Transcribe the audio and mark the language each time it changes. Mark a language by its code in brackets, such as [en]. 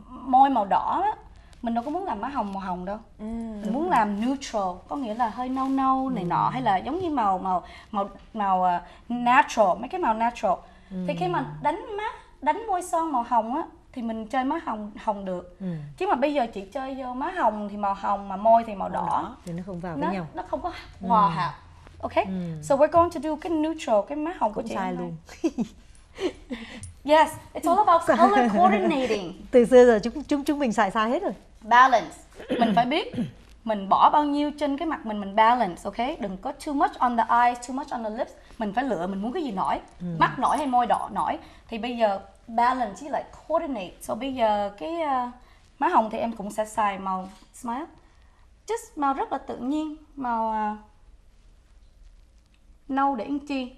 [vi] Môi màu đỏ á, mình đâu có muốn làm má hồng màu hồng đâu. Mình muốn làm neutral, có nghĩa là hơi nâu nâu này nọ, hay là giống như màu natural, mấy cái màu natural. Thì khi mà đánh môi son màu hồng á thì mình chơi má hồng được. Chứ mà bây giờ chị chơi vô má hồng thì màu hồng mà môi thì màu đỏ thì nó không vào với nhau. Nó không có hòa hợp. Ok. [en] So we're going to do cái neutral, [vi] cái má hồng cũng của chị sai luôn. [en] Yes, it's all about color coordinating. [vi] Từ xưa giờ chúng mình xài sai hết rồi. [en] Balance. [vi] Mình phải biết mình bỏ bao nhiêu trên cái mặt mình balance, ok? Đừng có [en] too much on the eyes, too much on the lips. [vi] Mình phải lựa mình muốn cái gì nổi. Mắt nổi hay môi đỏ nổi. Thì bây giờ balance chứ lại coordinate. So bây giờ cái má hồng thì em cũng sẽ xài màu smile. Just màu rất là tự nhiên, màu nâu để ăn chi.